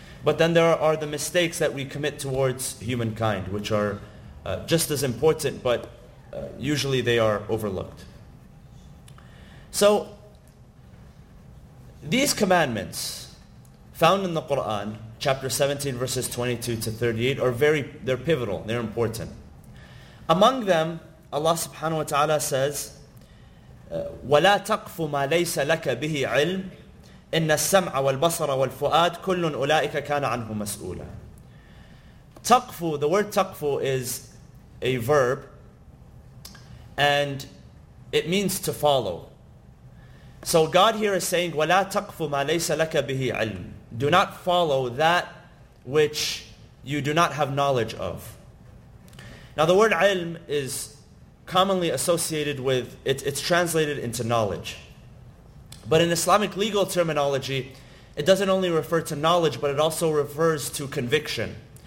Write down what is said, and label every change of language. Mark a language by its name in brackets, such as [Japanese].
[English] But then there are the mistakes that we commit towards humankind, which are just as important, but usually they are overlooked. So these commandments found in the Quran, chapter 17, verses 22 to 38, are they're pivotal, they're important. Among them, Allah subhanahu wa ta'ala says, [Arabic] وَلَا تَقْفُ مَا لَيْسَ لَكَ بِهِ عِلْمٍ إِنَّ السَّمْعَ وَالْبَصَرَ وَالْفُؤَادِ كُلٌ أُولَٰئِكَ كَانَ عَنْهُ مَسْؤُولًا. [English] Taqfu, the word taqfu is a verb, and it means to follow. So God here is saying, [Arabic] وَلَا تَقْفُ مَا لَيْسَ لَكَ بِهِ عِلْمٍ. [English] Do not follow that which you do not have knowledge of. Now the word ilm is commonly associated with, it's translated into knowledge. But in Islamic legal terminology, it doesn't only refer to knowledge, but it also refers to conviction.